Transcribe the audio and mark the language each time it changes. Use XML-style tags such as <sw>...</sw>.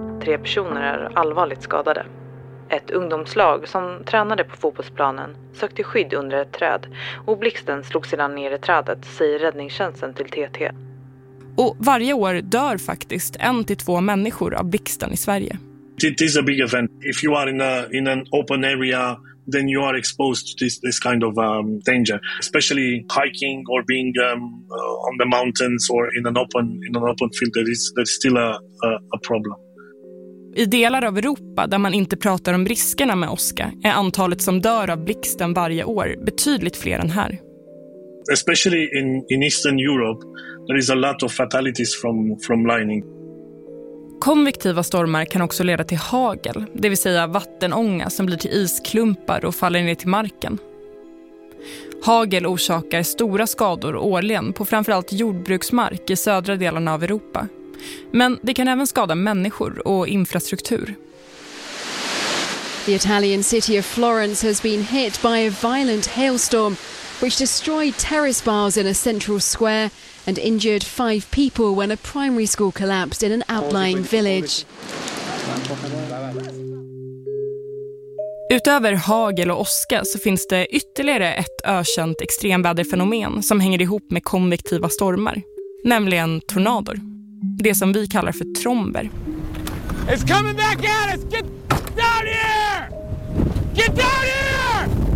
<sv>Tre personer är allvarligt skadade. Ett ungdomslag som tränade på fotbollsplanen sökte skydd under ett träd och blixten slog sedan ner i trädet, säger räddningstjänsten till TT. Och varje år dör faktiskt 1-2 människor av blixten i Sverige.</sv> <en>It is a big event. If you are in an open area, then you are exposed to this kind of danger, especially hiking or being on the mountains or in an open field. That is still a problem.</en> <sv>I delar av Europa där man inte pratar om riskerna med åska är antalet som dör av blixten varje år betydligt fler än här.</sv> <en>Especially in Eastern Europe, there is a lot of fatalities from lightning.</en> <sv>Konvektiva stormar kan också leda till hagel, det vill säga vattenånga som blir till isklumpar och faller ner till marken. Hagel orsakar stora skador årligen på framförallt jordbruksmark i södra delarna av Europa. Men det kan även skada människor och infrastruktur.</sv> <en>The Italian city of Florence has been hit by a violent hailstorm which destroyed terrace bars in a central square and injured 5 people when a primary school collapsed in an outlying village.</en> <sv>Utöver hagel och åska så finns det ytterligare ett ökänt extremväderfenomen som hänger ihop med konvektiva stormar, nämligen tornador. Det som vi kallar för tromber.</sv> <en>It's coming back at us. Get down here. Get down here.</en>